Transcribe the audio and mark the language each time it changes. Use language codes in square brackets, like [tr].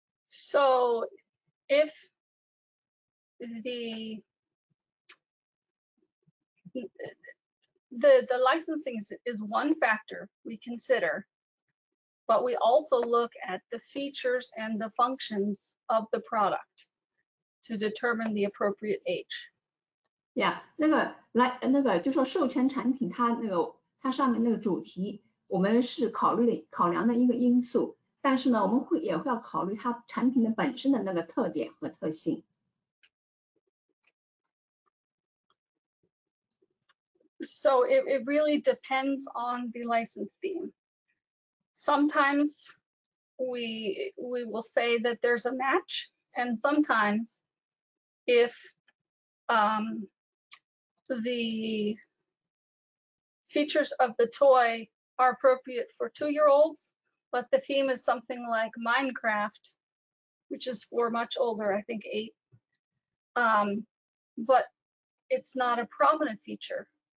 [en] So, if the The licensing is one factor we consider, but we also look at the features and the functions of the product to determine the appropriate age. [zh] Yeah, 就说授权产品它上面那个主题，我们是考量的一个因素，但是呢，我们也会要考虑它产品的本身的那个特点和特性。 [en] So it really depends on the license theme. Sometimes we will say that there's a match, and sometimes if the features of the toy are appropriate for 2-year-olds, but the theme is something like Minecraft, which is for much older, I think 8, but it's not a prominent feature.